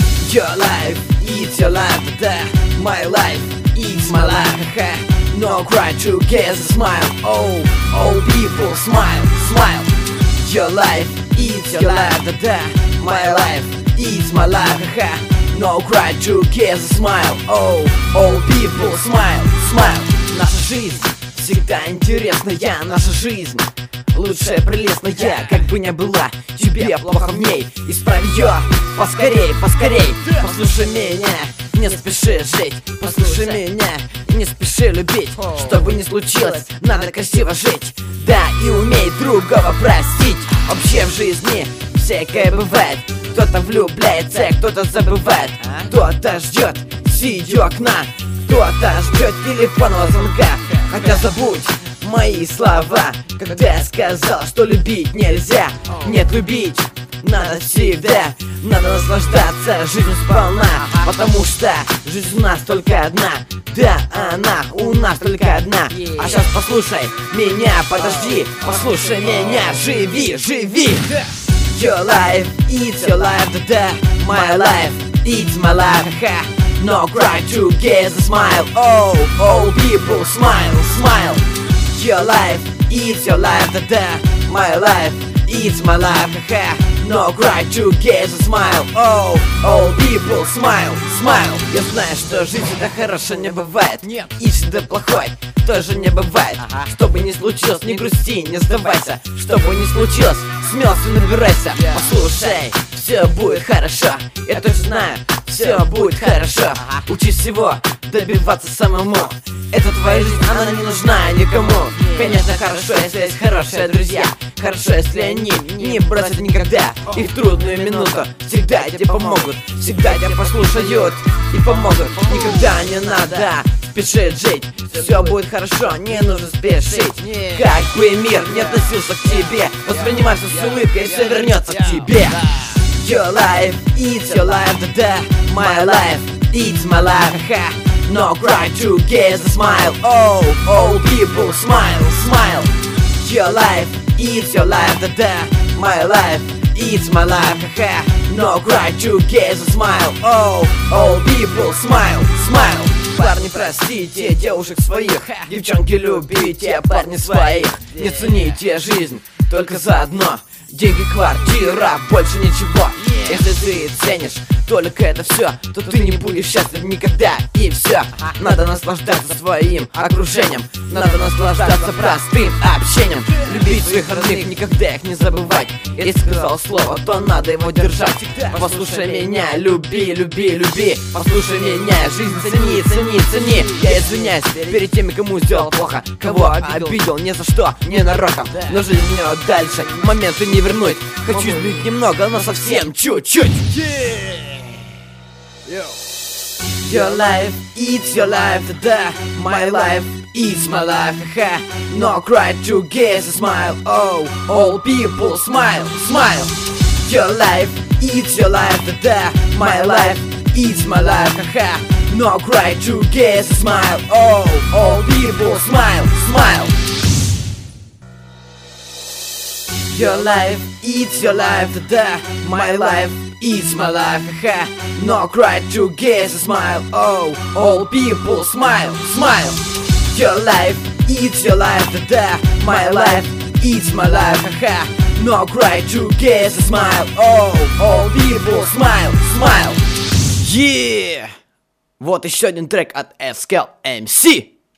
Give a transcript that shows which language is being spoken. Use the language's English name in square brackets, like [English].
[English] Your life, it's your life, that my life, it's my life. No cry, true kiss, smile. Oh, all people smile, smile. Your life, it's your life, that my life, it's my life. No cry, true kiss, smile. Oh, all people smile, smile. [Russian] Наша жизнь всегда интересная, наша жизнь лучшая, прелестная, как бы ни была тебе плохо в ней, исправь ее поскорей, поскорей. Послушай меня, не спеши жить. Послушай меня, не спеши любить. Что бы ни случилось, надо красиво жить. Да, и умей другого простить. Вообще в жизни всякое бывает. Кто-то влюбляется, кто-то забывает. Кто-то ждет сидя у окна, кто-то ждет телефонного звонка. Хотя забудь мои слова, когда я сказал, что любить нельзя. Нет, любить надо всегда. Надо наслаждаться жизнью сполна. Потому что жизнь у нас только одна. Да, она у нас только одна. А сейчас послушай меня, подожди. Послушай меня, живи, живи. [English] Your life, it's your life, да-да. My life, it's my life. No cry, true kiss, smile. Oh, all people, smile, smile. Your life, it's your life, da-da. My life, it's my life, ha-ha. No cry, true kiss, smile. Oh, all people, smile, smile. [Russian] Я знаю, что жизнь это хорошо не бывает. Нет. И всегда плохой тоже не бывает. Ага. Что бы ни случилось, не грусти, не сдавайся. Что бы ни случилось, смелся, набирайся. [English] Yeah. [Russian] Послушай, все будет хорошо. Я точно знаю, все будет хорошо. Ага. Учись всего, добиваться самому. Это твоя жизнь, она не нужна никому. Нет. Конечно, хорошо, если есть хорошие друзья. Хорошо, если они не бросят никогда. И в трудную минуту всегда тебе помогут. Всегда тебя послушают и помогут. Никогда не надо спешить жить. Все будет хорошо, не нужно спешить. Как бы мир не относился к тебе, воспринимай все с улыбкой, все вернется к тебе. [English] Your life, it's your life, да-да. My life, it's my life. No cry, true kiss, smile. Oh, all people, smile, smile. Your life, it's your life, da-da. My life, it's my life, ha-ha. No cry, true kiss, smile. Oh, all people, smile, smile. [Russian] Парни, простите девушек своих. Девчонки, любите парни своих. Не цените жизнь, только заодно. Деньги, квартира, больше ничего. Если ты ценишь только это все, то ты не будешь счастлив никогда, и все. Надо наслаждаться своим окружением. Надо наслаждаться простым общением. Любить своих родных, никогда их не забывать. Если сказал слово, то надо его держать. Послушай меня, люби, люби, люби. Послушай меня, жизнь цени, цени, цени. Я извиняюсь перед теми, кому сделал плохо. Кого обидел, ни за что, не нароком. Но жизнь мне дальше, моменты не вернуть. Хочу любить немного, но совсем чуть-чуть. [English] Yo. Your life, it's your life, da-da. My life, it's my life, ha. No cry, true kiss, smile. Oh, all people, smile, smile. Your life, it's your life, da-da. My life, it's my life, ha. No cry, true kiss, smile. Oh, all people, smile, smile. Your life, it's your life, da-da. My life, it's my life, ha. No cry, true kiss, smile. Oh, all people, smile, smile. Your life, it's your life, da-da. My life, it's my life, ha. No cry, true kiss, smile. Oh, all people, smile, smile. [Russian] Yeah! Вот еще один трек от SKL MC.